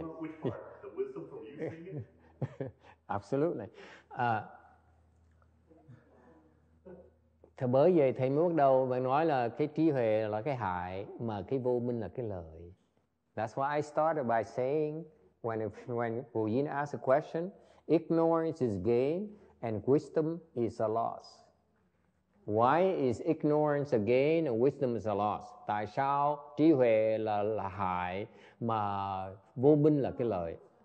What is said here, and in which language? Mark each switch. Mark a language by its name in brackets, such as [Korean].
[English] You want which part? The wisdom from you singing? Absolutely. [Vietnamese] Thì bởi vậy thầy mới bắt đầu và nói là cái trí huệ là cái hại mà cái vô minh là cái lợi. [English] That's why I started by saying when Bồ Dinh asked a question, ignorance is gain and wisdom is a loss. Why is ignorance a gain and wisdom is a loss? [Vietnamese] Tại sao trí huệ là hại mà vô minh là cái lợi?